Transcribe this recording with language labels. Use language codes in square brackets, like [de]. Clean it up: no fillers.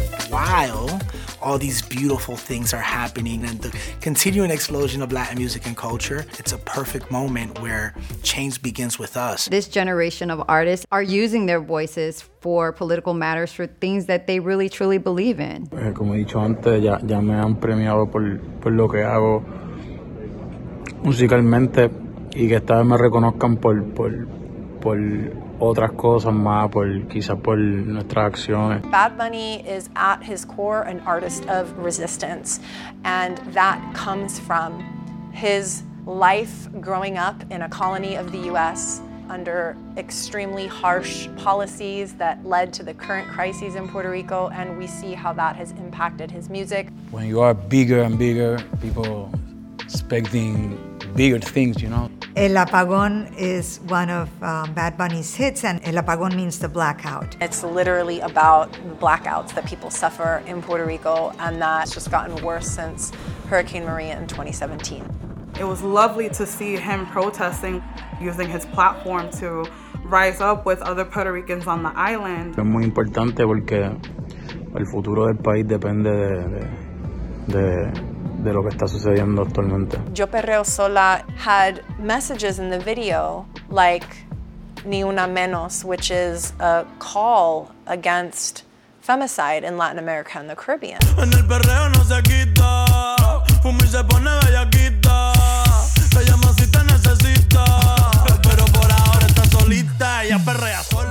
[en] While all these beautiful things are happening and the continuing explosion of Latin music and culture, it's a perfect moment where change begins with us. This generation of artists are using their voices for political matters, for things that they really, truly believe in. [es] Como he dicho antes, ya me han premiado por lo que hago musicalmente y que esta vez me reconozcan por otras cosas más, quizá por nuestras acciones. [en] Bad Bunny is at his core an artist of resistance, and that comes from his life growing up in a colony of the U.S. under extremely harsh policies that led to the current crises in Puerto Rico, and we see how that has impacted his music. When you are bigger and bigger, people expecting bigger things, you know. El Apagón is one of Bad Bunny's hits, and El Apagón means the blackout. It's literally about blackouts that people suffer in Puerto Rico, and that's just gotten worse since Hurricane Maria in 2017. It was lovely to see him protesting, using his platform to rise up with other Puerto Ricans on the island. [es] Es muy importante porque el futuro del país depende de lo que está sucediendo actualmente. [en] Yo Perreo Sola had messages in the video like Ni Una Menos, which is a call against femicide in Latin America and the Caribbean. [es] En el perreo no se quita, fumir se pone bellaquita, se llama si te necesita, pero por ahora está solita, ella perrea sola.